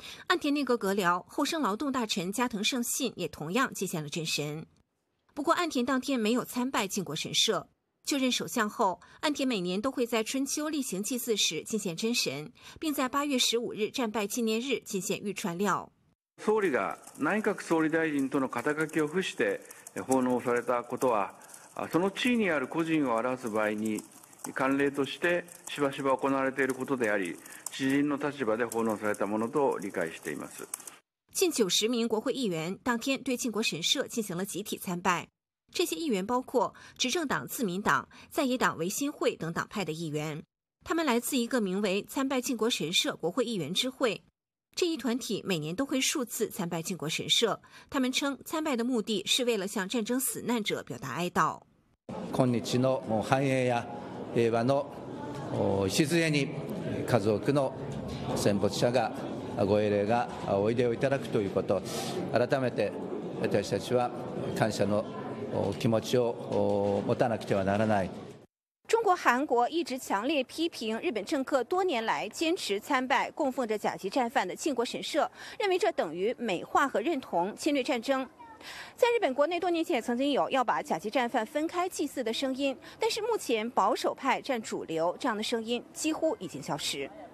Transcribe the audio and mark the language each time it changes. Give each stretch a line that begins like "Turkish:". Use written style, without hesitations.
Chinese: 岸田内阁阁僚厚生劳动大臣加藤胜信也同样进献了真神。不过岸田当天没有参拜靖国神社。就任首相后，岸田每年都会在春秋例行祭祀时进献真神，并在8月15日战败纪念日进献玉串料。
Japanese: 総理が内閣総理大臣との肩書きを伏して奉納されたことは、その地位にある個人を表す場合に慣例としてしばしば行われていることであり、知人の立場で奉納されたものと理解しています。
Chinese: 近90名国会议员当天对靖国神社进行了集体参拜。这些议员包括执政党自民党、在野党维新会等党派的议员，他们来自一个名为参拜靖国神社国会议员之会。这一团体每年都会数次参拜靖国神社，他们称参拜的目的是为了向战争死难者表达哀悼。
Japanese: 今日の繁栄や平和の礎に家族の戦没者がご英霊がおいでをいただくということ、改めて私たちは感謝の気持ちを持たなくてはならない。
Chinese: 中国、韩国一直强烈批评日本政客多年来坚持参拜供奉着甲级战犯的靖国神社，认为这等于美化和认同侵略战争。在日本国内，多年前曾经有要把甲级战犯分开祭祀的声音，但是目前保守派占主流，这样的声音几乎已经消失。